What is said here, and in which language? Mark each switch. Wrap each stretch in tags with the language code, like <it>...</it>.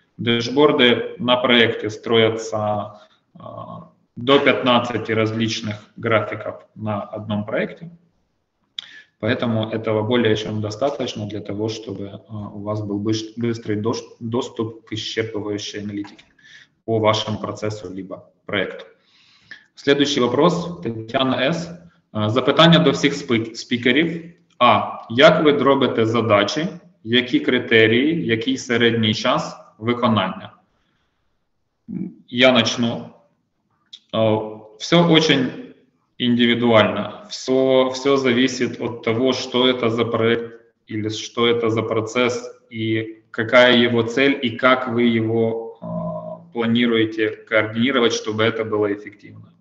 <ru>Дэшборды на проекте строятся до 15 различных графиков на одном проекте, поэтому этого более чем достаточно для того, чтобы у вас был быстрый доступ к исчерпывающей аналитике по вашему процессу либо проекту. Следующий вопрос, Тетяна С.</ru> <uk>Запитання до всіх спікерів. А. Як ви робите задачі? Які критерії? Який середній час виконання?</uk> <ru>Я начну. Все очень индивидуально. Все зависит от того, что это за проект или что это за процесс и какая его цель и как вы его планируете координировать, чтобы это было эффективно.</ru>